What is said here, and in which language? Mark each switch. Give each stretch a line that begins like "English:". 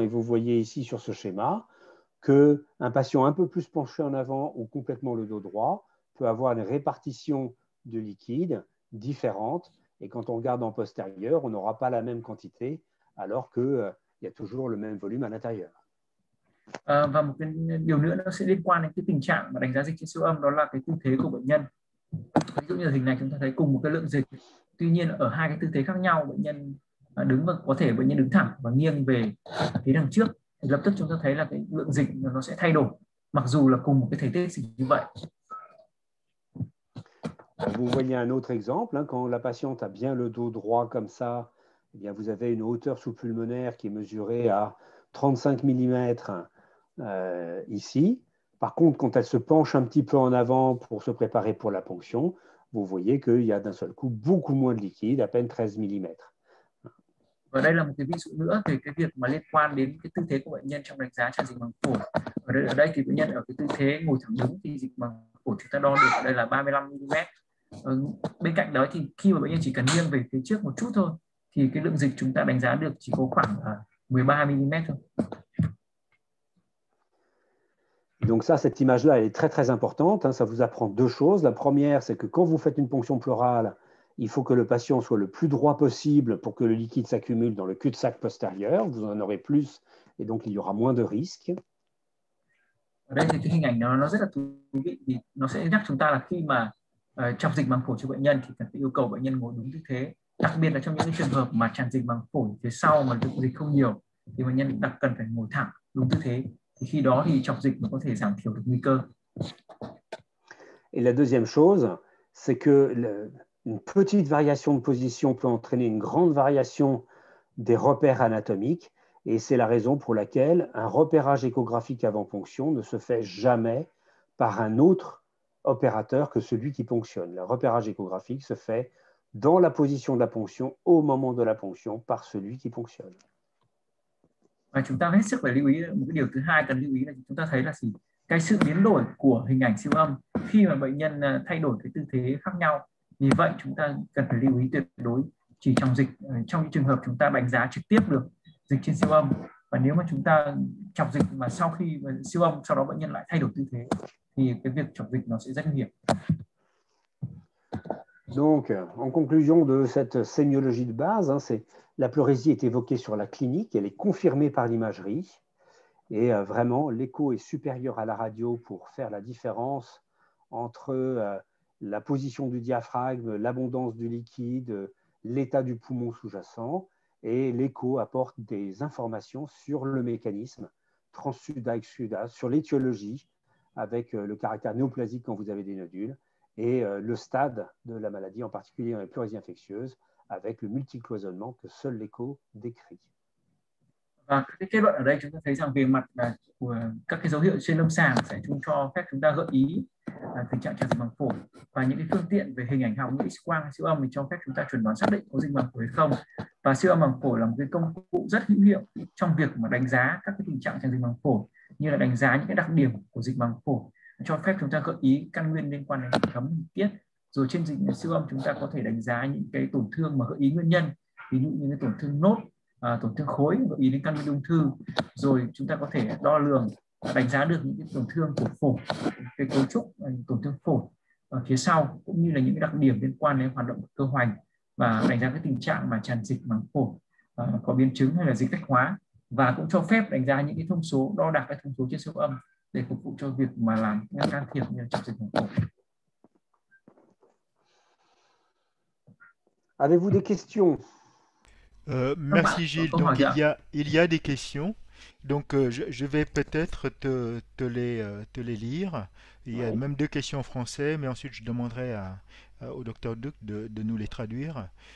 French: Et vous voyez ici sur ce schéma qu'un patient un peu plus penché en avant ou complètement le dos droit peut avoir une répartition de liquide différente. Et quand on regarde en postérieur, on n'aura pas la même quantité alors qu'il y a toujours le même volume à l'intérieur.
Vietnamese: Và một cái điều nữa nó sẽ liên quan đến cái tình trạng mà đánh giá dịch trên siêu âm, đó là cái tư thế của bệnh nhân. Ví dụ như hình này chúng ta thấy cùng một cái lượng dịch, tuy nhiên ở hai cái tư thế khác nhau, bệnh nhân đứng và có thể bệnh nhân đứng thẳng và nghiêng về phía đằng trước, thì lập tức chúng ta thấy là cái lượng dịch nó sẽ thay đổi mặc dù là cùng một cái thể tích dịch như vậy.
French: Vous voyez un autre exemple, hein, quand la patiente a bien le dos droit comme ça, eh bien vous avez une hauteur sous-pulmonaire qui est mesurée à 35 mm ici. Par contre, quand elle se penche un petit peu en avant pour se préparer pour la ponction, vous voyez qu'il y a d'un seul coup beaucoup moins de liquide, à peine 13 mm.
Vietnamese: Ở đây là một cái ví dụ nữa về cái việc mà liên quan đến cái tư thế của bệnh nhân trong đánh giá tràn dịch màng phổi. Ở đây thì bệnh nhân ở cái tư thế ngồi thẳng đứng thì dịch màng phổi chúng ta đo được ở đây là 35 mm. Bên cạnh đó thì khi mà bệnh nhân chỉ cần nghiêng về phía trước một chút thôi thì cái lượng dịch chúng ta đánh giá được chỉ có khoảng 13 mm thôi.
French: Donc ça, cette image-là, elle est très très importante. Ça vous apprend deux choses. La première, c'est que quand vous faites une ponction pleurale, il faut que le patient soit le plus droit possible pour que le liquide s'accumule dans le cul-de-sac postérieur. Vous en aurez plus et donc il y aura moins de risques.
Vietnamese: Ở đây thì cái hình ảnh nó rất là thú vị. Nó sẽ nhắc chúng ta là khi mà trong dịch màng phổi cho bệnh nhân thì cần phải yêu cầu bệnh nhân ngồi đúng tư thế. Đặc biệt là trong những trường hợp mà tràn dịch màng phổi phía sau mà lượng dịch không nhiều thì bệnh nhân đặc cần phải ngồi thẳng đúng tư thế. Thì khi đó thì trong dịch nó có thể giảm thiểu được nguy cơ.
French: Et la deuxième chose, c'est que une petite variation de position peut entraîner une grande variation des repères anatomiques et c'est la raison pour laquelle un repérage échographique avant ponction ne se fait jamais par un autre opérateur que celui qui ponctionne. Le repérage échographique se fait dans la position de la ponction, au moment de la ponction, par celui qui ponctionne.
Vietnamese: Và chúng ta hết sức phải lưu ý một cái điều thứ hai cần lưu ý là chúng ta thấy là gì? Cái sự biến đổi của hình ảnh siêu âm khi mà bệnh nhân thay đổi cái tư thế khác nhau. Vì vậy chúng ta cần phải lưu ý tuyệt đối chỉ trong dịch trong những trường hợp chúng ta đánh giá trực tiếp được dịch trên siêu âm. Và nếu mà chúng ta chọc dịch mà sau khi siêu âm sau đó bệnh nhân lại thay đổi tư thế thì cái việc chọc dịch nó sẽ rất nguy hiểm.
French: Donc, en conclusion de cette sémiologie de base, hein, c'est la pleurésie est évoquée sur la clinique, elle est confirmée par l'imagerie, et vraiment, l'écho est supérieur à la radio pour faire la différence entre la position du diaphragme, l'abondance du liquide, l'état du poumon sous-jacent, et l'écho apporte des informations sur le mécanisme transsuda exsuda, sur l'étiologie, avec le caractère néoplasique quand vous avez des nodules, et le stade de la maladie, en particulier dans les pleurésies infectieuses, avec le multicloisonnement que seul l'écho décrit.
Vietnamese: Và cái kết luận ở đây chúng ta thấy rằng về mặt của các cái dấu hiệu trên lâm sàng sẽ chúng cho phép chúng ta gợi ý tình trạng tràn dịch màng phổi và những cái phương tiện về hình ảnh học như X-quang, siêu âm thì cho phép chúng ta chuẩn đoán xác định có dịch màng phổi hay không. Và siêu âm màng phổi là một cái công cụ rất hữu hiệu trong việc mà đánh giá các cái tình trạng tràn dịch màng phổi như là đánh giá những cái đặc điểm của dịch màng phổi. Cho phép chúng ta gợi ý căn nguyên liên quan đến hệ thống tiết Rồi trên dịch siêu âm chúng ta có thể đánh giá những cái tổn thương mà gợi ý nguyên nhân, ví dụ như cái tổn thương nốt, tổn thương khối gợi ý đến căn bệnh ung thư. Rồi chúng ta có thể đo lường, đánh giá được những cái tổn thương của phổi, cái cấu trúc tổn thương phổi ở phía sau, cũng như là những cái đặc điểm liên quan đến hoạt động cơ hoành, và đánh giá cái tình trạng mà tràn dịch màng phổi, có biến chứng hay là dịch tách hóa, và cũng cho phép đánh giá những cái thông số, đo đạc cái thông số trên siêu âm để phục vụ cho việc mà làm can thiệp như là chụp dịch màng phổi.
French: Avez-vous des questions? Non, Pas merci Gilles. encore, Donc Maria. il y a des questions. Donc je vais peut-être te les lire. Il y a même deux questions en français, mais ensuite je demanderai au docteur Duc de nous les traduire.